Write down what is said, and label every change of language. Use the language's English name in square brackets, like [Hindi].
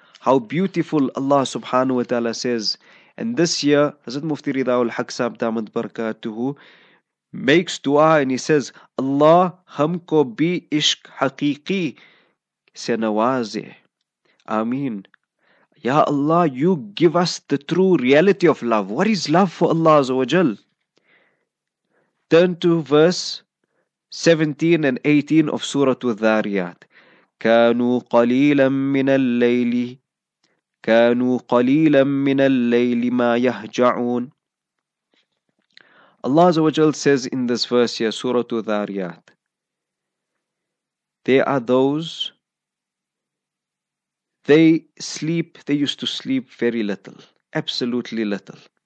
[English] How beautiful Allah subhanahu wa ta'ala says. And this year, Hazrat Mufti Ridaul Haq Sahib Damat Barakatuhu makes dua and he says, [Urdu] Allah humko bi ishq haqiqi se nawaze. [English] Ameen. Ya Allah, you give us the true reality of love. What is love for Allah Azza wa Jal? Turn to verse 17 and 18 of Surah Al-Dhariyat. [Arabic] Kanu qaleelan min al-layli. كانوا قليلا من الليل ما يهجعون. [English] Allah Azza wa Jal says in this verse here, Surah Al-Dhariyat, there are those, they sleep, they used to sleep very little, absolutely little.